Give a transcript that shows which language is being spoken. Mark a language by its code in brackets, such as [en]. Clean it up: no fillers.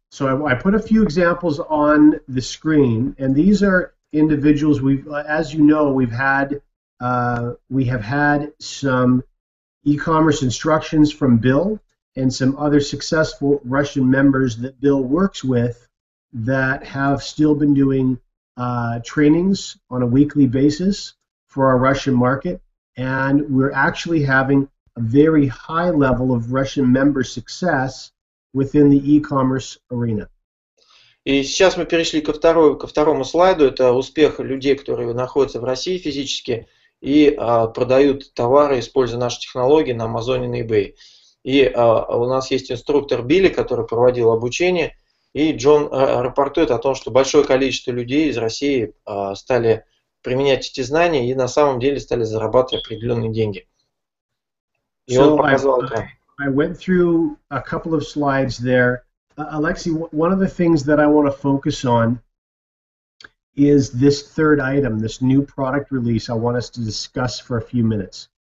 [en] So I put a few examples on the screen, and these are individuals we have had some e-commerce instructions from Bill and some other successful Russian members that Bill works with that have still been doing trainings on a weekly basis for our Russian market, and we're actually having a very high level of Russian member success within the e-commerce arena. [ru] И сейчас мы перешли ко второму слайду. Это успех людей, которые находятся в России физически и продают товары, используя наши технологии на Amazon и на eBay. И у нас есть инструктор Билли, который проводил обучение, и Джон рапортует о том, что большое количество людей из России стали применять эти знания и на самом деле стали зарабатывать определенные деньги. [en] So I went through a couple of slides there. Alexey, one of the things that I want to focus on is this third item, this new product release I want us to discuss for a few minutes.